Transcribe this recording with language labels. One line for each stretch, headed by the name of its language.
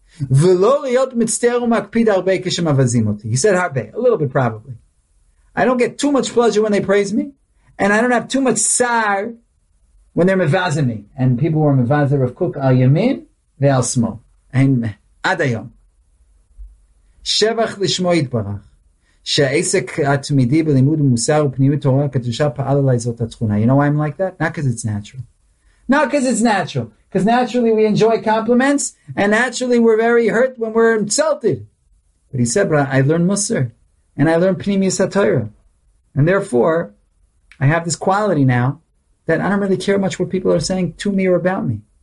Hebrew: ולא להיות מצטער ומקפיד הרבה כשמבזים אותי.
English: He said הרבה, a little bit probably. I don't get too much pleasure when they praise me, and I don't have too much sar when they're mevazim me. And people were mevazir of Kook al yamin ve'al smol.
Hebrew: And עד היום. שבח לשמו יתברך. שהעסק התמידי בלימוד מוסר ופניות תורה הקדושה פעל עליי זאת התכונה.
English: You know why I'm like that? Not because it's natural. Not because it's natural. Because naturally we enjoy compliments and naturally we're very hurt when we're insulted. But he said, but I learned Musar and I learned Pnimius HaTorah. And therefore, I have this quality now that I don't really care much what people are saying to me or about me.